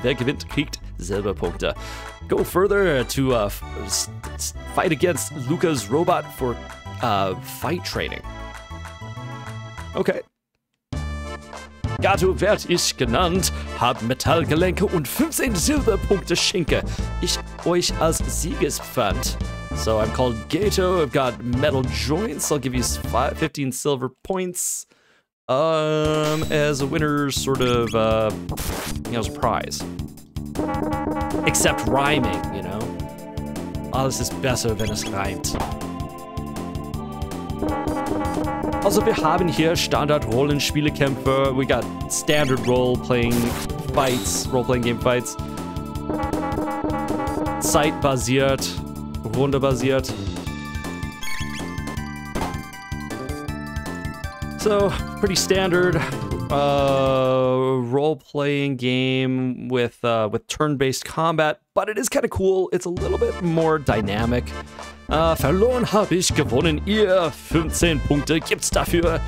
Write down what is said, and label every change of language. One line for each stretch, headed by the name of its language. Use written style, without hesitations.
German: Wer gewinnt, kriegt Silberpunkte.
English: Go further to fight against Lukas Robot for fight training. Okay.
German: Gato werd ich genannt, hab Metallgelenke und 15 Silberpunkte schenke ich euch als Siegespfand.
English: So I'm called Gato, I've got metal joints, I'll give you 15 silver points. As a winner, sort of, you know, as a prize. Except rhyming, you know?
German: Alles ist besser, wenn es reimt. Also, wir haben hier Standard-Rollenspielekämpfe.
English: We got standard role-playing fights, role-playing game fights.
German: Zeitbasiert, Runde-basiert.
English: So, pretty standard role-playing game with turn-based combat, but it is kind of cool. It's a little bit more dynamic.
German: Verloren habe ich gewonnen, ihr 15 Punkte gibt's dafür.